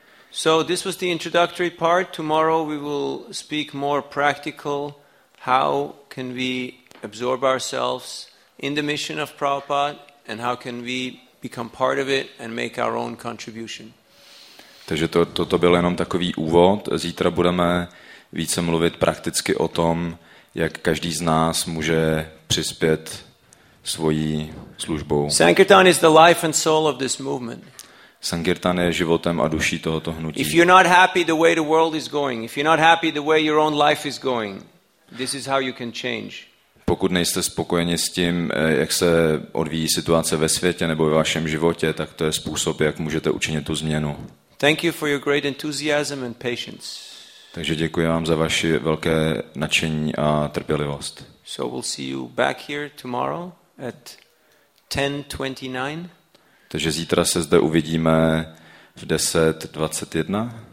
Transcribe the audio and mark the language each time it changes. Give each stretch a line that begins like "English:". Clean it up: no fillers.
English: So this was the introductory part. Tomorrow we will speak more practical how can we absorb ourselves in the mission of Prabhupada and how can we become part of it and make our own contribution.
Czech: Takže to byl jenom takový úvod. Zítra budeme více mluvit prakticky o tom, jak každý z nás může přispět svojí službou.
English: Sankirtan is the life and soul of this movement.
Czech: Sankirtan je životem a duší tohoto hnutí.
English: If you're not happy the way the world is going, if you're not happy the way your own life is going, this is how you can change.
Czech: Pokud nejste spokojeni s tím, jak se odvíjí situace ve světě nebo ve vašem životě, tak to je způsob, jak můžete učinit tu změnu.
English: Thank you for your great enthusiasm and patience.
Czech: Takže děkuji vám za vaše velké nadšení a trpělivost.
English: So we'll see you back here tomorrow at 10:29.
Czech: Takže zítra se zde uvidíme v 10:21.